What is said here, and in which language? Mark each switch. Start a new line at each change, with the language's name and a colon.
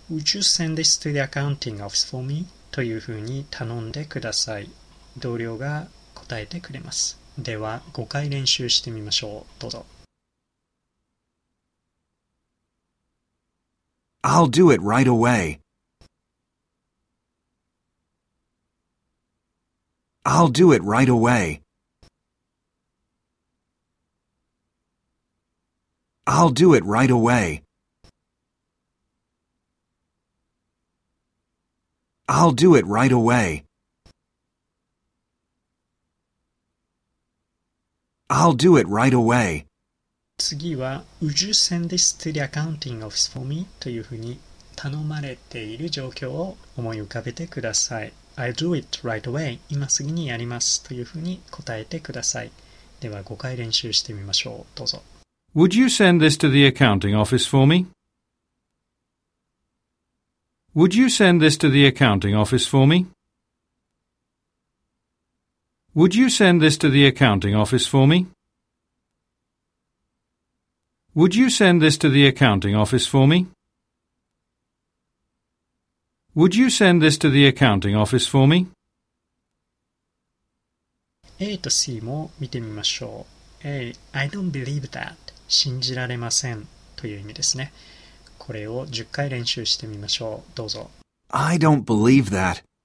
English: Would you send this to the Accounting Office for me?
Japanese: というふうに頼んでください。同僚が答えてくれます。では5回練習してみましょう。どうぞ。
English: I'll do it right away. I'll do it right away. I'll do it right away. I'll do it right away. I'll do it right away.
Japanese: 次は、
English: Would you send this to the accounting office for me?
Japanese: というふうに頼まれている状況を思い浮かべてください。
English: I'll do it right away.
Japanese: 今すぐにやりますというふうに答えてください。では5回練習してみましょう。どうぞ。
English: Would you send this to the accounting office for me? Would you send this to the accounting office for me? Would you send this to the accounting office for me? Would you send this to the accounting office for me? Would you send this to the accounting office for me?
Japanese: A と C も見てみましょう。
English: A, I don't believe that.
Japanese: 信じられませんという意味ですね。これを10回練習してみましょう。どうぞ。
English: I don't believe that.